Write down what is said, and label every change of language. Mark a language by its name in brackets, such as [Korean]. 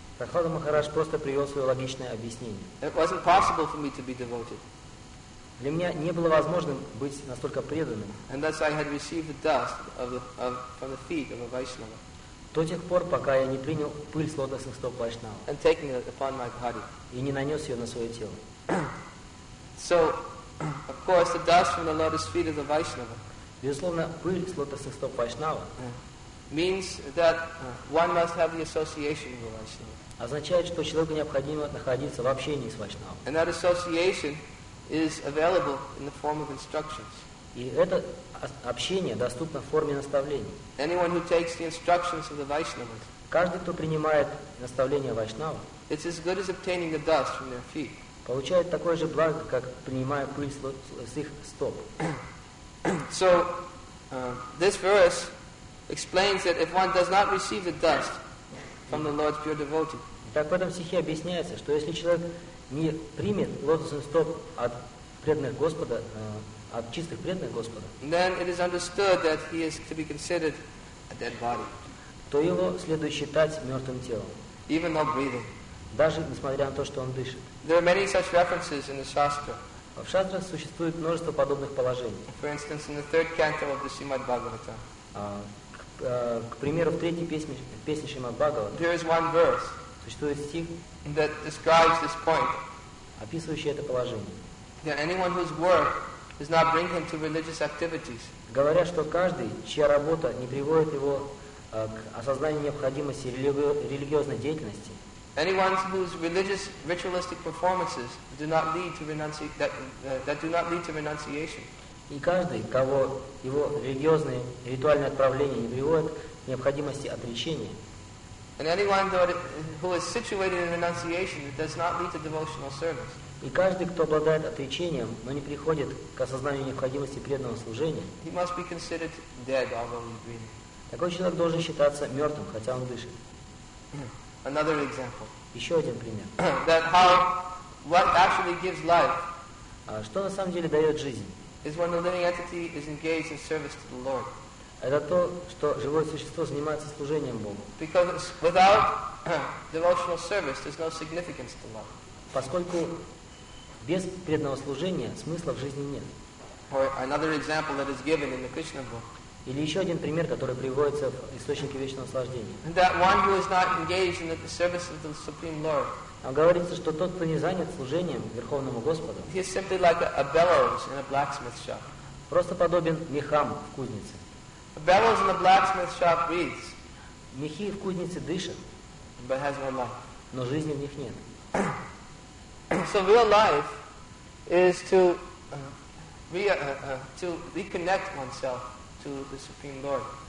[Russian] Прахлада Махарадж просто привел свое логичное объяснение. [English] It wasn't possible for me to be devoted. [Russian] Для меня не было возможным быть настолько преданным. [English] And thus I had received the dust from the feet of a Vaishnava. [Russian] До тех пор, пока я не принял пыль с лотосных стоп Вайшнава. [English] And taking it upon my body. [Russian] И не нанес ее на свое тело. [English] So, of course, the dust from the lotus feet of the Vaishnava. [Russian] Безусловно, пыль с лотосных стоп Вайшнава. [English] Means that one must have the association with Vaishnava. [Russian] Означает, что человеку необходимо находиться в общении с Вайшнавом. [English] And that association is available in the form of instructions. [Russian] И это общение доступно в форме наставлений. [English] Anyone who takes the instructions of the Vaishnavas. [Russian] Каждый, кто принимает наставления Вайшнава. [English] It's as good as obtaining the dust from their feet. [Russian] Получает такое же благо, как принимая пыль с их стоп. [English] So, this verse explains that if one does not receive the dust from the Lord's pure devotee. [Russian] Так в этом стихе объясняется, что если человек не примет лотосный стоп от преданных Господа, от чистых преданных Господа, [English] then it is understood that he is to be considered a dead body. [Russian] То его следует считать мертвым телом. [English] Even though breathing. [Russian] Даже несмотря на то, что он дышит. [English] There are many such references in the Shastra. [Russian] В Шастрах существует множество подобных положений. [English] For instance, in the third canto of the Srimad Bhagavata. [Russian] К примеру, в третьей песне Шримад Бхагавата. [English] There is one verse. [Russian] Существует стих, [English] that describes this point. [Russian] Описывающий это положение. [English] That anyone whose work does not bring him to religious activities. [Russian] Говоря, что каждый, чья работа не приводит его к осознанию необходимости религиозной деятельности. [English] Anyone whose religious ritualistic performances do not lead to that do not lead to renunciation. [Russian] И каждый, кого его религиозные ритуальные отправления не приводят к необходимости отречения. [English] And anyone who is situated in renunciation that does not lead to devotional service. [Russian] И каждый, кто обладает отречением, но не приходит к осознанию необходимости преданного служения, [English] he must be considered dead, although he's breathing. [Russian] Такой человек должен считаться мертвым, хотя он дышит. [English] Another example. [Russian] Еще один пример. [English] That how, what actually gives life, [Russian] что на самом деле дает жизнь, [English] is when the living entity is engaged in service to the Lord. [Russian] Это то, что живое существо занимается служением Богу. [English] Because without devotional service, there's no significance to life. [Russian] Поскольку без преданного служения смысла в жизни нет. [English] Or another example that is given in the Krishna book. [Russian] Или еще один пример, который приводится в источнике вечного наслаждения. [English] That one who is not engaged in the service of the Supreme Lord. [Russian] Там говорится, что тот, кто не занят служением Верховному Господу. [English] He is simply like a bellows in a blacksmith shop. [Russian] Просто подобен мехам в кузнице. [English] A bellows in a blacksmith shop breathes. [Russian] Мехи в кузнице дышат. [English] But has no life. [Russian] Но жизни в них нет. [English] So real life is to to reconnect oneself to the Supreme Lord.